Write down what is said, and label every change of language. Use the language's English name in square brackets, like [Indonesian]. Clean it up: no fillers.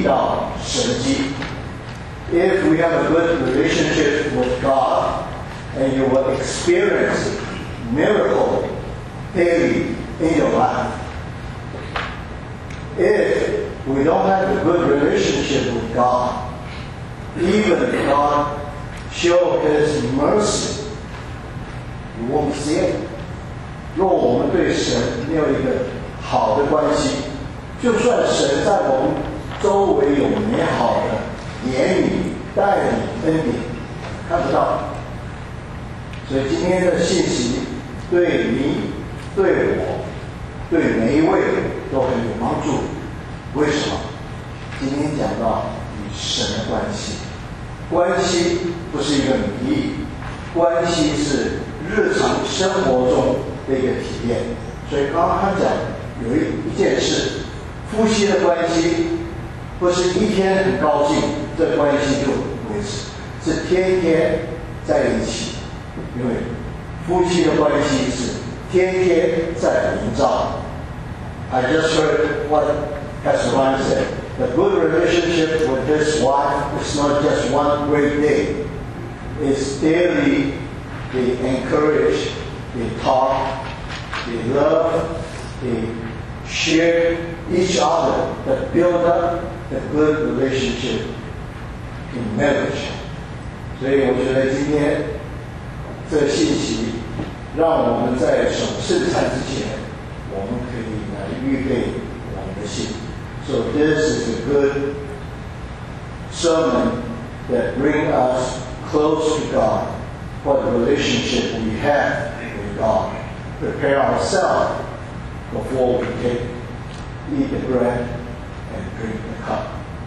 [English] If we have a good relationship with God, and you will experience miracle daily in your life. If we don't have a good relationship with God, even if God shows His mercy, we won't see it. [Chinese] 若我们对神没有一个好的关系，就算神在我们周围有美好的言语、带领、恩典，看不到。所以今天的信息对你、对我、对每一位都很有帮助。为什么？今天讲到与神的关系，关系不是一个名义，关系是日常生活中的一个体验。所以刚刚讲有一件事，夫妻的关系不是一天很高兴这关系就维持，是天天在一起，因为夫妻的关系是天天在营造。 [English] I just heard what Pastor Ryan said, the good relationship with his wife is not just one great day, it's daily. They encourage, they talk, they love, they share each other, to build up the good relationship in marriage. [Chinese] 所以我觉得今天这信息让我们在守圣餐之前，我们可以来预备我们的心。 [English] So this is a good sermon that brings us close to God. For the relationship we have with God, prepare ourselves before we take, eat the bread and drink the cup.